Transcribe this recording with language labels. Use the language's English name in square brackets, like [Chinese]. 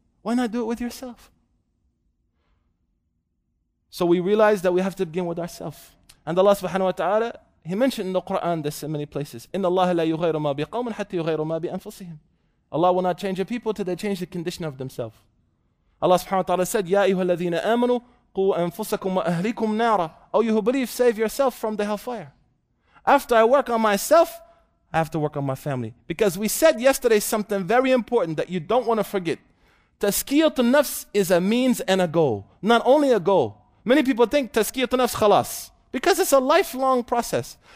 [English] Why not do it with yourself? So we realize that we have to begin with ourselves. And Allah subhanahu wa ta'ala, He mentioned in the Quran this in many places. [Arabic] إِنَّ اللَّهَ لَا يُغَيْرُ مَا بِقَوْمٍ حَتَّى يُغَيْرُ مَا بِأَنفُسِهِمْ. [English] Allah will not change a people till they change the condition of themselves. Allah subhanahu wa ta'ala said, [Arabic] يَا أَيُّهَا الَّذِينَ آمَنُوا قُوا أَنفُسَكُمْ وَأَهْلِكُمْ نَارًا. [English] Oh, you who believe, save yourself from the hellfire. After I work on myself, I have to work on my family. Because we said yesterday something very important that you don't want to forget. Tazkiyatun nafs is a means and a goal. Not only a goal. Many people think tazkiyatun nafs khalas. Because it's a lifelong process.